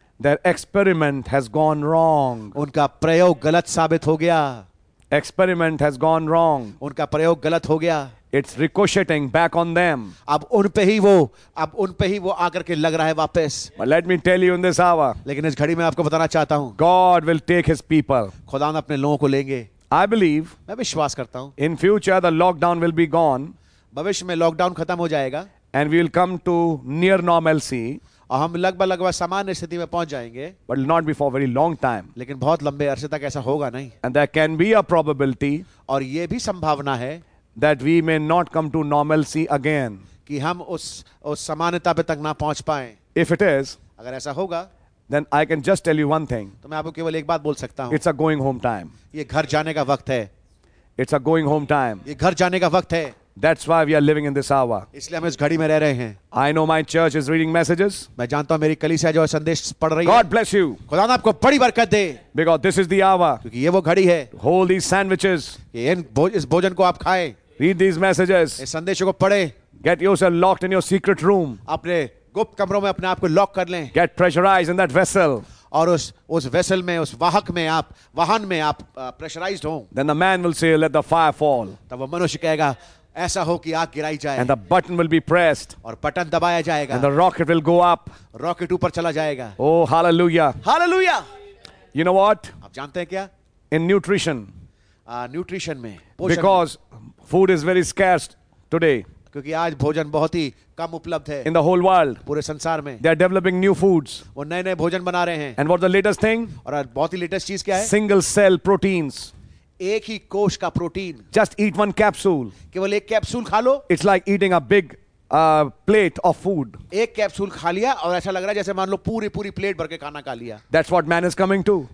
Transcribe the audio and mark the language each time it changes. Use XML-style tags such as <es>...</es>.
<en>Their experiment has gone wrong.</en> <hi>उनका प्रयोग गलत साबित हो गया.</hi> <en>Experiment has gone wrong.</en> <hi>उनका प्रयोग गलत हो गया.</hi> <en>It's ricocheting back on them.</en> <hi>अब उन पे ही वो आकर के लग रहा है वापस.</hi> <en>But let me tell you in this hour.</en> <hi>लेकिन इस घड़ी में आपको बताना चाहता हूँ.</hi> <en>God will take His people.</en> <hi>खुदा अपने लोगों को लेंगे.</hi> <en>I believe.</en> <hi>मैं विश्वास करता हूँ.</hi> <en>In future the lockdown will be gone.</en> <hi>भविष्य में लॉकडाउन खत्म हो जाएगा.</hi> <en>And we will come to near normalcy.</en> <hi>और हम लगभग सामान्य स्थिति में पहुंच जाएंगे.</hi> <en>But not before very long time.</en> <hi>लेकिन बहुत लंबे अरसे तक ऐसा होगा नहीं.</hi> <en>And there can be a probability.</en> <hi>और ये भी संभावना है.</hi> <en>That we may not come to normalcy again.</en> <hi>कि हम उस सामान्यता पे तक ना पहुंच पाए.</hi> <en>If it is.</en> <hi>अगर ऐसा होगा.</hi> <en>Then I can just tell you one thing.</en> <hi>तो मैं आपको केवल एक बात बोल सकता हूँ.</hi> <en>It's a going home time.</en> <hi>ये घर जाने का वक्त है.</hi> <en>It's a going home time.</en> <hi>ये घर जाने का वक्त है.</hi> <en>That's why we are living in this hour.</en> <hi>इसलिए हम इस घड़ी में रह रहे हैं.</hi> <en>I know my church is reading messages.</en> <hi>मैं जानता हूँ मेरी कलीसिया जो संदेश पढ़ रही है.</hi> <en>God bless you.</en> <hi>खुदा ने आपको बड़ी बरकत दे.</hi> <en>Because this is the hour.</en> <hi>क्योंकि ये वो घड़ी है.</hi> <en>Hold these sandwiches.</en> <hi>इस भोजन को आप खाए.</hi> <en>Read these messages.</en> <hi>इस संदेशों को पढ़े.</hi> <en>Get yourself locked in your secret room.</en> <hi>अपने गुप्त कमरों में अपने आप को लॉक कर लें.</hi> <en>Get pressurized in that vessel.</en> <hi>और उस वेसल में उस वाहक में आप वाहन में आप प्रेशराइज्ड हों.</hi> <en>Then the man will say, "Let the fire fall."</en> <hi>तब वो मनुष्य कहेगा ऐसा हो कि आग गिराई जाए.</hi> <en>And the button will be pressed.</en> <hi>और बटन दबाया जाएगा.</hi> <en>And the rocket will go up.</en> <hi>Rocket ऊपर चला जाएगा.</hi> <en>Oh hallelujah. Hallelujah. You know what?</en> <hi>आप जानते हैं क्या?</hi> <en>In nutrition.</en> <hi>Nutrition में.</hi> <en>Because food is very scarce today.</en> <hi>क्योंकि आज भोजन बहुत ही कम उपलब्ध है.</hi> <en>In the whole world.</en> <hi>पूरे संसार में.</hi> <en>They are developing new foods.</en> <hi>वो नए-नए भोजन बना रहे हैं.</hi> <en>And what's the latest thing?</en> <hi>और बहुत ही लेटेस्ट चीज क्या है?</hi> <en>Single cell proteins.</en> <hi>एक ही कोश का protein.</hi> <en>Just eat one capsule.</en> <hi>केवल एक कैप्सूल खा लो.</hi> <en>It's like eating a big plate of food.</en> <hi>एक कैप्सूल खा लिया और ऐसा लग रहा है जैसे मान लो पूरी पूरी प्लेट भर के खाना खा लिया.</hi> <en>That's what man is coming to.</en>